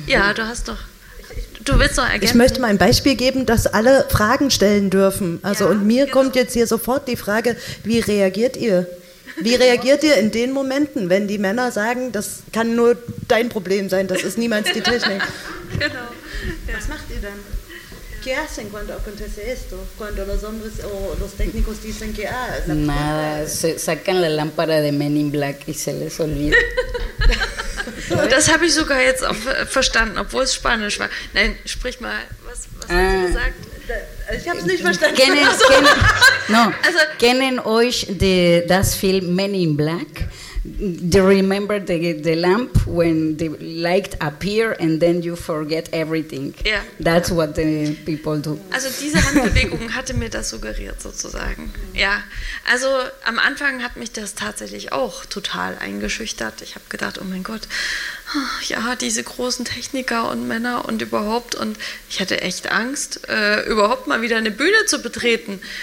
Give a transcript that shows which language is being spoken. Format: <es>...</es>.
<de>Ja, du hast doch, du willst noch ergänzen. Ich möchte mal ein Beispiel geben, dass alle Fragen stellen dürfen. Also ja, und mir kommt jetzt hier sofort die Frage, wie reagiert ihr? Wie reagiert ihr in den Momenten, wenn die Männer sagen, das kann nur dein Problem sein, das ist niemals die Technik? Genau. Ja. Was macht ihr dann?</de> <es>¿Qué hacen cuando acontece esto? Cuando los hombres o los técnicos dicen que nada, se sacan la lámpara de Men in Black y se les olvida.</es> <de>Das habe ich sogar jetzt auch verstanden, obwohl es Spanisch war. Nein, sprich mal, was hast du gesagt? Also, kennen euch das Film Men in Black?</de> <en>Do you remember the lamp when the light appear and then you forget everything? Yeah. That's what the people do.</en> <de>Also diese Handbewegung hatte mir das suggeriert sozusagen. Ja, also am Anfang hat mich das tatsächlich auch total eingeschüchtert. Ich habe gedacht, oh mein Gott, ja, diese großen Techniker und Männer und überhaupt. Und ich hatte echt Angst, überhaupt mal wieder eine Bühne zu betreten.</de>